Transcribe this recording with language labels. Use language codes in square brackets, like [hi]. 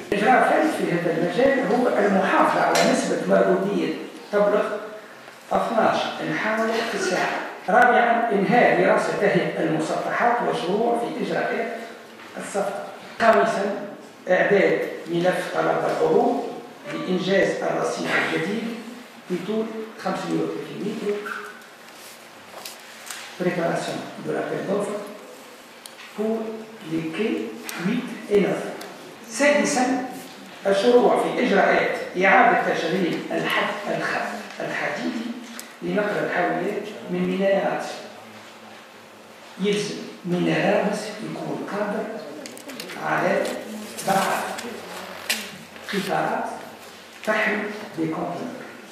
[ar] الإجراء الثالث في هذا المجال هو المحافظة على نسبة مردودية تبلغ 12 محاولة في الساعة. 4. إنهاء دراسة تهيئة المسطحات والشروع في إجراءات الصفقة. 5. إعداد ملف طلب العروض لإنجاز الرصيف الجديد بطول 35 متر. [fr] Préparation de l'appel d'offres pour les quais 8 et 9. [ar] 6. الشروع في إجراءات إعادة تشغيل الحد الحديدي لنقل الحاويات من ميناء رابس. يلزم ميناء رابس يكون قادر على بعض قطارات تحمل دي كونتينر.